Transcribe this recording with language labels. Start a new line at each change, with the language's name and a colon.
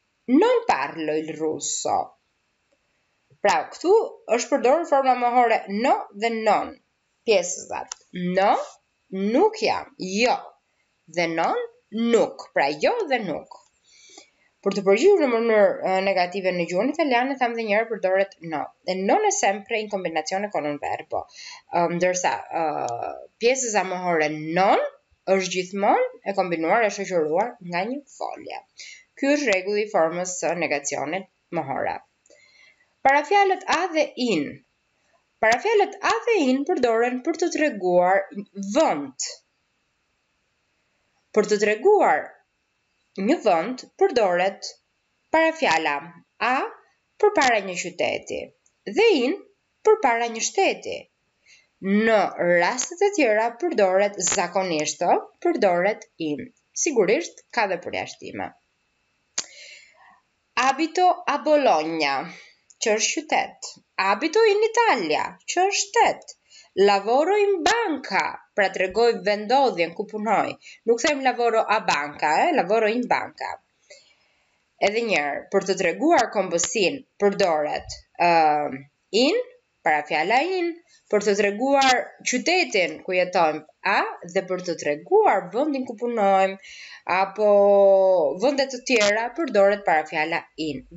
Italian: Non parlo il russo.
Albanian: Pra, këtu është përdorur forma mohore no dhe non. Pjesëzat. No, nuk jam. Jo. Dhe non, nuk. Pra, jo dhe nuk. Për të përgjigjur në mënyrë negative në gjuhën italiane, thamë dhe njëherë përdoret no.
Italian: Dhe non è sempre in combinazione con un verbo.
Albanian: Ndërsa, pjesëza mohore non është gjithmonë e kombinuar e shoqëruar nga një folje. Ky është rregulli i formës së negacionit mohore. Para fjalët a dhe in. Para fjalët a dhe in përdoren për të treguar vend. Për të treguar një vend përdoret para fjala a përpara një qyteti dhe in përpara një shteti. Në rastet e tjera përdoret zakonisht, përdoret in. Sigurisht ka dhe përjashtime.
Italian: Abito a Bologna,
Albanian: që është qytet.
Italian: Abito in Italia,
Albanian: që është shtet.
Italian: Lavoro in banca,
Albanian: pra tregoj vendodhjen ku punoj. Nuk them
Italian: lavoro a banca, lavoro in banca.
Albanian: Edhe njerë, për të treguar kombësin, përdoret in, para fjala in, për të treguar qytetin ku jetojmë a, dhe për të treguar vendin ku punojmë, apo vendet të tjera, përdoret para fjala in.